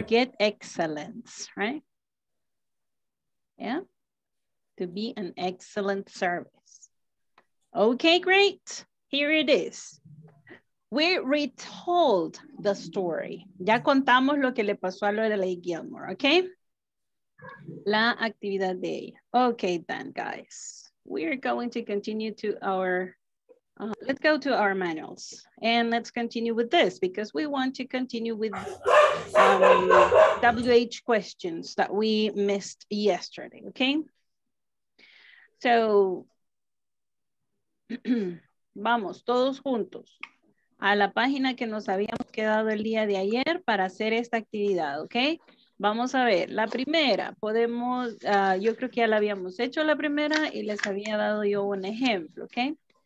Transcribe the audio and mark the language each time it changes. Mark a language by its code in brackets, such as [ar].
[en] To get excellence, right? Yeah. To be an excellent service. Okay, great. Here it is. We retold the story. [es] Ya contamos lo que le pasó a Lorelei Gilmore, ¿okay? La actividad de ella. [en] Okay, then, guys. We are going to continue to our, let's go to our manuals. And let's continue with this because we want to continue with WH questions that we missed yesterday, okay? [es] So, vamos todos juntos a la página que nos habíamos quedado el día de ayer para hacer esta actividad, okay? Vamos a ver, la primera, podemos, yo creo que ya la habíamos hecho la primera y les había dado yo un ejemplo, ¿ok?